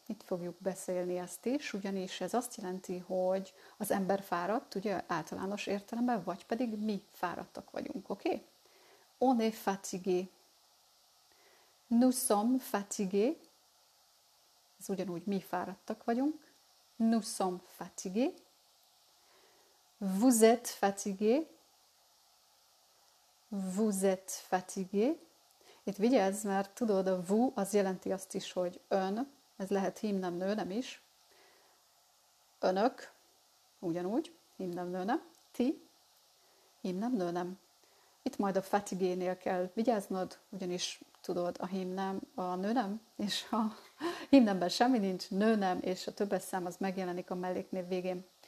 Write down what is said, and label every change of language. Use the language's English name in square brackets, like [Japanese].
[Hungarian] Itt fogjuk beszélni ezt is, ugyanis ez azt jelenti, hogy az ember fáradt, ugye, általános értelemben, vagy pedig mi fáradtak vagyunk, oké? Okay? [French] On est fatigué. Nous sommes fatigués. [Hungarian] Ez ugyanúgy mi fáradtak vagyunk. [French] Nous sommes fatigués. Vous êtes fatigués. Vous êtes fatigués. [Hungarian] Itt vigyázz, mert tudod, a vu az jelenti azt is, hogy ön, ez lehet hímnem, nőnem is. Önök, ugyanúgy, hímnem, nőnem. Ti, hímnem, nőnem. Itt majd a fatigénél kell vigyáznod, ugyanis tudod, a hímnem, a nőnem, és a hímnemben semmi nincs, nőnem, és a többes szám az megjelenik a melléknév végén.